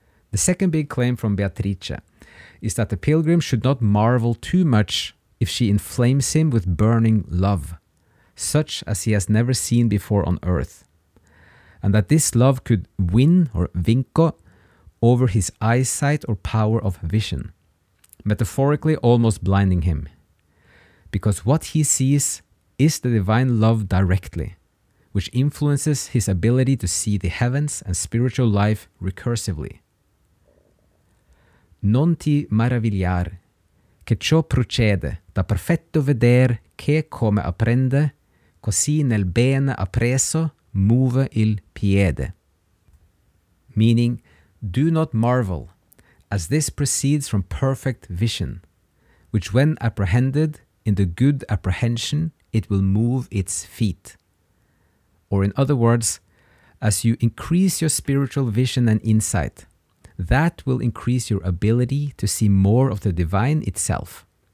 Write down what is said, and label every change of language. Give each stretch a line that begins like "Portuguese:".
English: The second big claim from Beatrice is that the pilgrim should not marvel too much if she inflames him with burning love, such as he has never seen before on earth, and that this love could win or vinco over his eyesight or power of vision, metaphorically almost blinding him. Because what he sees is the divine love directly, which influences his ability to see the heavens and spiritual life recursively.
Italian: Non ti maravigliar che ciò procede da perfetto veder che come apprende, così nel bene appreso muove il piede.
English: Meaning, do not marvel, as this proceeds from perfect vision, which when apprehended in the good apprehension, it will move its feet. Or in other words, as you increase your spiritual vision and insight, that will increase your ability to see more of the divine itself.